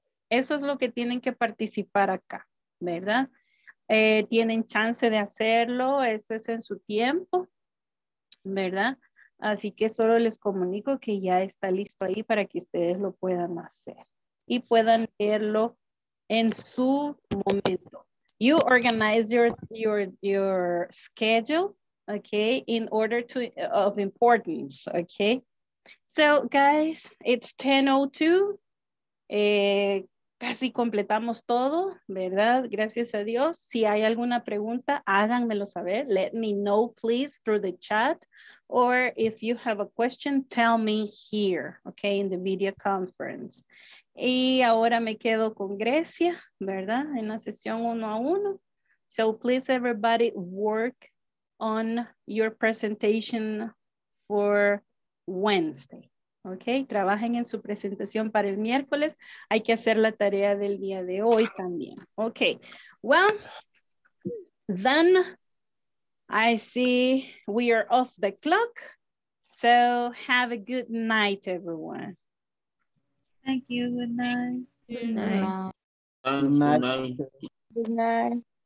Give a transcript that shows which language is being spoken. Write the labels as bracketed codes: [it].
[es] Eso es lo que tienen que participar acá, ¿verdad? Tienen chance de hacerlo, esto es en su tiempo, ¿verdad? Así que solo les comunico que ya está listo ahí para que ustedes lo puedan hacer. Y puedan leerlo en su momento. [en] You organize your schedule, okay, in order to of importance, okay? So guys, it's 10:02. [es] Casi completamos todo, ¿verdad? Gracias a Dios. Si hay alguna pregunta, háganmelo saber. [en] Let me know, please, through the chat. Or if you have a question, tell me here, okay, in the video conference. [es] Y ahora me quedo con Grecia, ¿verdad? En la sesión 1-1. [en] So please, everybody, work on your presentation for Wednesday. [es] Okay, trabajen en su presentación para el miércoles. Hay que hacer la tarea del día de hoy también. [en] Okay, well, then I see we are off the clock. So have a good night, everyone. Thank you. Good night. Good night. Good night. Good night. Good night.